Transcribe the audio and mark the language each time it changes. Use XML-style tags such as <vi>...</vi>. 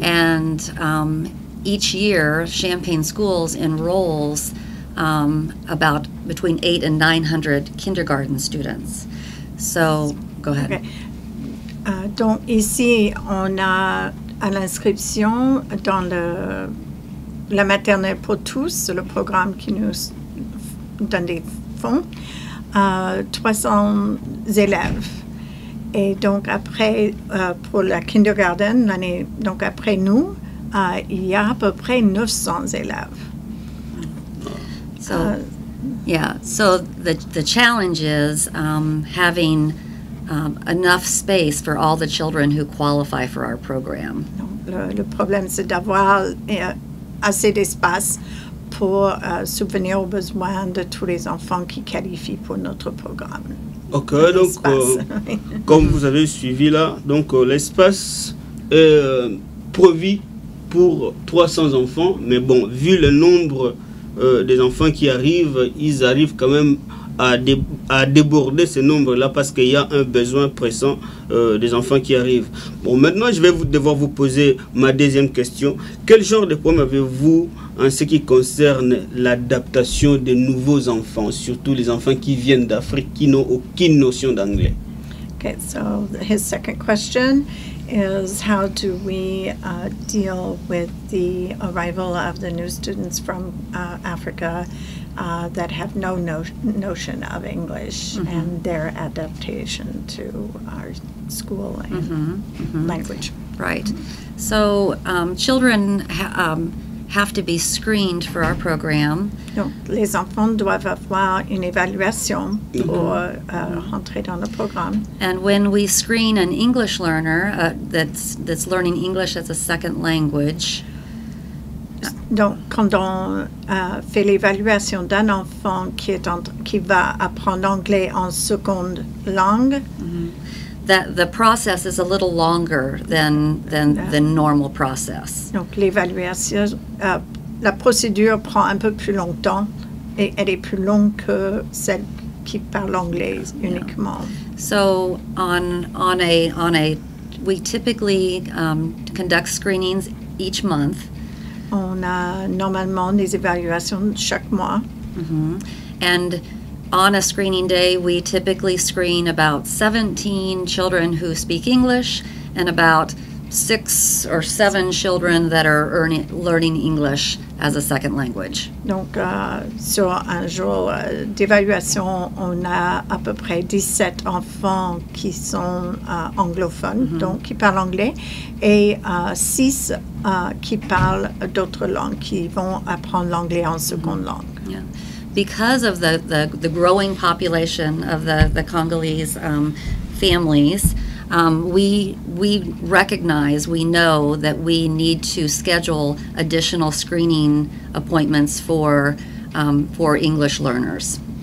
<en>And each year, Champaign Schools enrolls about between 800 and 900 kindergarten students. So, go ahead. Okay.</en> <fr>Donc ici, on a à l'inscription dans la maternelle pour tous, le programme qui nous donne des fonds, 300 élèves. Et donc après, pour la kindergarten, l'année, donc après nous, il y a à peu près 900 élèves.</fr> <en>So, so the challenge is having enough space for all the children who qualify for our program.</en> <fr>Le problème, c'est d'avoir assez d'espace pour subvenir aux besoins de tous les enfants qui qualifient pour notre programme. Ok, donc comme vous avez suivi là, donc l'espace est prévu pour 300 enfants, mais bon, vu le nombre des enfants qui arrivent, ils arrivent quand même à déborder ce nombre-là parce qu'il y a un besoin pressant des enfants qui arrivent. Bon, maintenant, je vais devoir vous poser ma deuxième question. Quel genre de problème avez-vous en ce qui concerne l'adaptation des nouveaux enfants, surtout les enfants qui viennent d'Afrique, qui n'ont aucune notion d'anglais?</fr> <en>Okay, so his second question is how do we deal with the arrival of the new students from Africa that have no notion of English, mm-hmm. and their adaptation to our school and language. Right. Mm-hmm. So children have to be screened for our program.</en> <fr>Donc, les enfants doivent avoir une évaluation pour rentrer dans le programme.</fr> <en>And when we screen an English learner that's learning English as a second language.</en> <fr>Donc, quand on fait l'évaluation d'un enfant qui va apprendre l'anglais en seconde langue,</fr> <en>The process is a little longer than the normal process.</en> <fr>Donc, l'évaluation, la procédure prend un peu plus longtemps et elle est plus longue que celle qui parle anglais uniquement.</fr> <en>So,</en> <fr>on a</fr> <en>we typically conduct screenings each month.</en> <fr>On a normalement des évaluations chaque mois. Mm-hmm.</fr> <en>And on a screening day, we typically screen about 17 children who speak English and about 6 or 7 children that are learning English as a second language.</en> <fr>Donc, sur un jour d'évaluation, on a à peu près 17 enfants qui sont anglophones, mm-hmm. donc qui parlent anglais, et 6 qui parlent d'autres langues, qui vont apprendre l'anglais en seconde mm-hmm. langue.</fr> <en>Yeah. Because of the growing population of the Congolese families, we recognize, we know that we need to schedule additional screening appointments for English learners.</en>